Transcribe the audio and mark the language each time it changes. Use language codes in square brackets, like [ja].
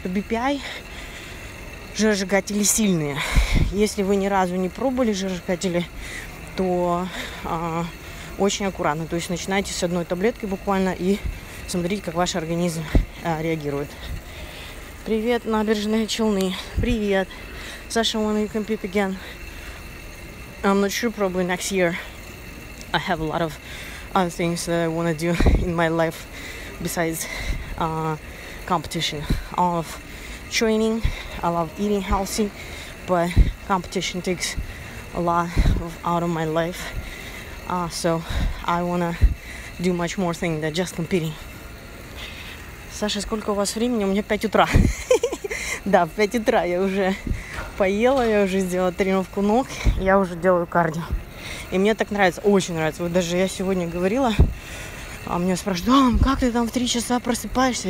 [ru] Потому что BPI, жиросжигатели сильные. Если вы ни разу не пробовали жиросжигатели, то очень аккуратно. То есть начинайте с одной таблетки буквально и смотрите, как ваш организм реагирует. Привет, набережные Челны. Привет. [en] Саша, when you compete again? I'm not sure, probably next year. I have a lot of other things that I want to do in my life besides competition. I love training, I love eating healthy, but competition takes a lot out of my life. So I want to do much more things than just competing. [ru] Саша, сколько у вас времени? У меня 5 утра. Да, в 5 утра я уже поела, я уже сделала тренировку ног, я уже делаю кардио. И мне так нравится, очень нравится. Вот даже я сегодня говорила, а меня спрашивают, Дом, как ты там в 3 часа просыпаешься?